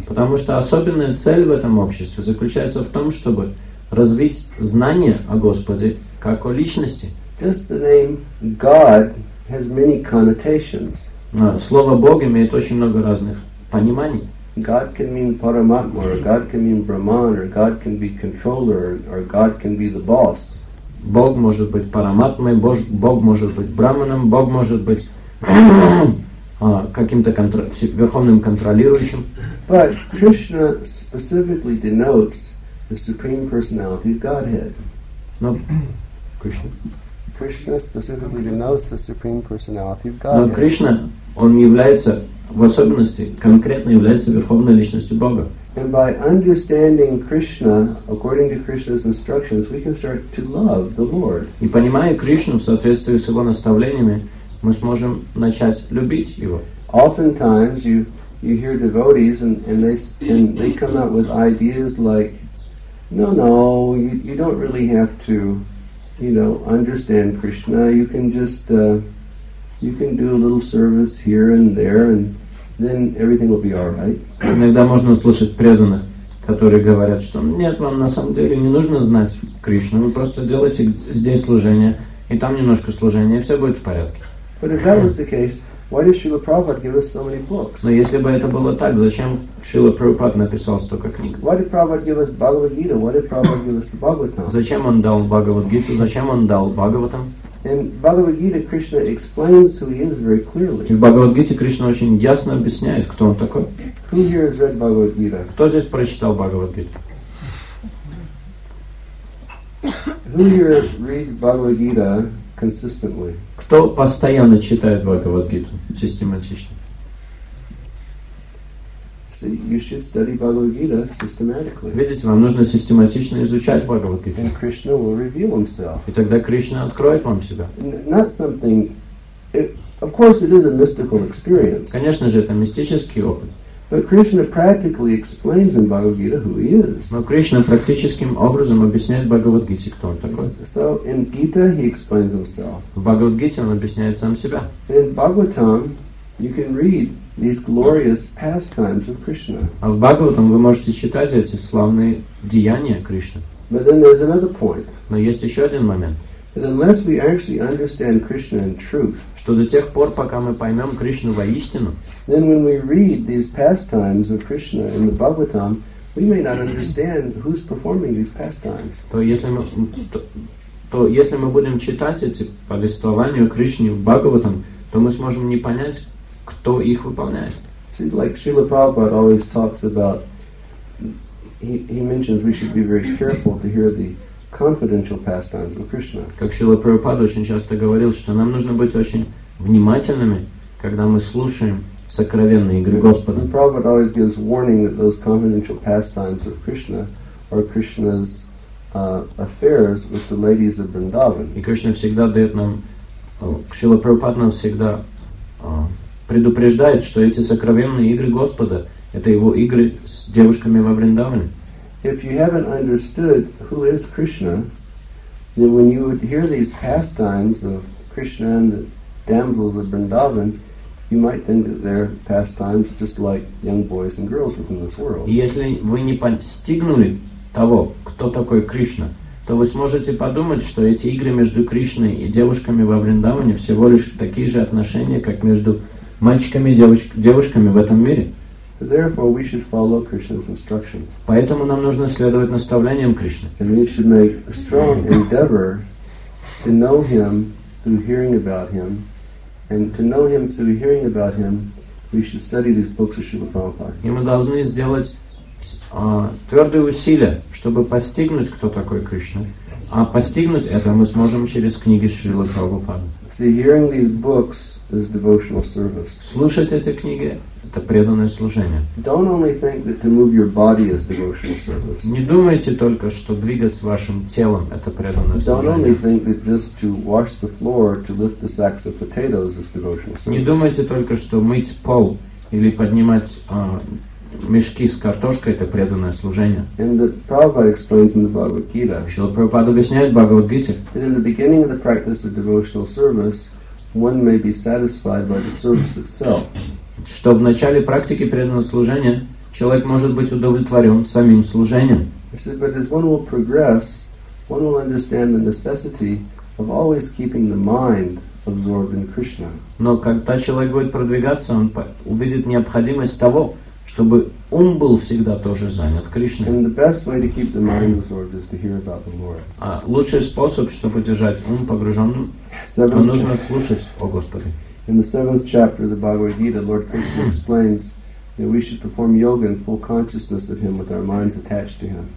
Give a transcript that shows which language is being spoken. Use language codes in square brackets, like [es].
[ru] Потому что особенная цель в этом обществе заключается в том, чтобы развить знание о Господе как о личности. [en] Just the name God has many connotations. [ru] Слово Бог имеет очень много разных пониманий. [en] God can mean Paramatma, or God can mean Brahman, or God can be controller, or God can be the boss. [ru] Бог может быть Параматмой, Бог может быть Браманом, Бог может быть каким-то верховным контролирующим. [en] But Krishna specifically denotes the Supreme Personality of Godhead. No, Krishna. Krishna specifically denotes the Supreme Personality of Godhead. [ru] Но Кришна, он является, в особенности, конкретно является верховной личностью Бога. [en] And by understanding Krishna according to Krishna's instructions, we can start to love the Lord. [ru] И понимая Кришну в соответствии с его наставлениями, мы сможем начать любить его. [en] Oftentimes you hear devotees and they come out with ideas like, no, you don't really have to, you know, understand Krishna. You can just do a little service here and there, and then everything will be all right. [ru] Иногда можно услышать преданных, которые говорят, что нет, вам на самом деле не нужно знать Кришну. Вы просто делайте здесь служение и там немножко служения, и все будет в порядке. [en] But if that was the case, why does Srila Prabhupada give us so many books? [ru] Но если бы это было так, зачем Шрила Прабхупада написал столько книг? [en] Why did Prabhupada give us Bhagavad Gita? Why did Prabhupada give us the Bhagavatam? [ru] Зачем он дал Бхагавад Гиту? Зачем он дал Бхагаватам? [en] In Bhagavad Gita, Krishna explains who he is very clearly. [ru] В Бхагавад Гите Кришна очень ясно объясняет, кто он такой. [en] Who here has read Bhagavad Gita? [ru] Кто здесь прочитал Бхагавад Гиту? [en] Who here reads Bhagavad Gita consistently? [ru] Кто постоянно читает Бхагавад-гиту систематично? [en] You should study Bhagavad-gita systematically. [ru] Видите, вам нужно систематично изучать Бхагавад-гиту. [en] And Krishna will reveal himself. [ru] И тогда Кришна откроет вам себя. [en] Not something. Of course, it is a mystical experience. [ru] Конечно же, это мистический опыт. [en] But Krishna practically explains in Bhagavad-gita who he is. [ru] Но Кришна практическим образом объясняет Бхагавад-гите, кто он такой. [en] So in Gita he explains himself. [ru] В Бхагавад-гите он объясняет сам себя. [en] In Bhagavatam you can read these glorious pastimes of Krishna. [ru] А в Бхагаватам вы можете читать эти славные деяния Кришны. [en] But then there's another point. [ru] Но есть еще один момент. [en] That unless we actually understand Krishna in truth, [ru] что до тех пор, пока мы поймем Кришну воистину, [en] then when we read these pastimes of Krishna in the Bhagavatam, we may not understand who's performing these pastimes. [ru] То если мы будем читать эти повествования Кришны в Бхагаватам, то мы сможем не понять, кто их выполняет. [en] See, like Srila Prabhupada always talks about, he mentions we should be very careful to hear the confidential pastimes of Krishna. [ru] Как Шрила Прабхупада очень часто говорил, что нам нужно быть очень внимательными, когда мы слушаем сокровенные игры Господа. [en] And Prabhupada always gives warning that those confidential pastimes of Krishna are Krishna's affairs with the ladies of Vrindavan. [ru] И Кришна всегда дает нам, Шрила Прабхупада нам всегда предупреждает, что эти сокровенные игры Господа — это его игры с девушками во Вриндаване. [en] If you haven't understood who is Krishna, then when you would hear these pastimes of Krishna and the damsels of Vrindavan, you might think that they're pastimes just like young boys and girls within this world. [ru] Если вы не постигнули того, кто такой Кришна, то вы сможете подумать, что эти игры между Кришной и девушками во Вриндаване всего лишь такие же отношения, как между мальчиками и девушками в этом мире. [en] So therefore, we should follow Krishna's instructions. [ru] Поэтому нам нужно следовать наставлениям Кришны. [en] And we should make a strong endeavor to know Him through hearing about Him, and to know Him through hearing about Him, we should study these books of Srila Prabhupada. [ru] И мы должны сделать твердые усилия, чтобы постигнуть, кто такой Кришна, а постигнуть это мы сможем через книги Шрилы Прабхупады. [en] See, hearing these books is devotional service. [ru] Слушать эти книги — это преданное служение. [en] Don't only think that to move your body is devotional service. [ru] Не думайте только, что двигаться вашим телом — это преданное служение. [en] Don't only think that just to wash the floor or to lift the sacks of potatoes is devotional service. [ru] Не думайте только, что мыть пол или поднимать мешки с картошкой — это преданное служение. [en] And the Prabhupada explains in the Bhagavad Gita. [ru] Шрила Прабхупада объясняет в Бхагавад Гите. [en] That in the beginning of the practice of devotional service, one may be satisfied by the service itself. [ru] Что в начале практики преданного служения человек может быть удовлетворен самим служением. [en] But as one will progress, one will understand the necessity of always keeping the mind absorbed in Krishna. [ru] Но когда человек будет продвигаться, он увидит необходимость того, чтобы ум был всегда тоже занят Кришной. [en] And the best way to keep the mind absorbed is to hear about the Lord. [ru] А лучший способ, чтобы держать ум погруженным, то нужно слушать о Господе. [en] In the 7th chapter of the Bhagavad Gita, Lord Krishna explains that we should perform yoga in full consciousness of Him with our minds attached to Him.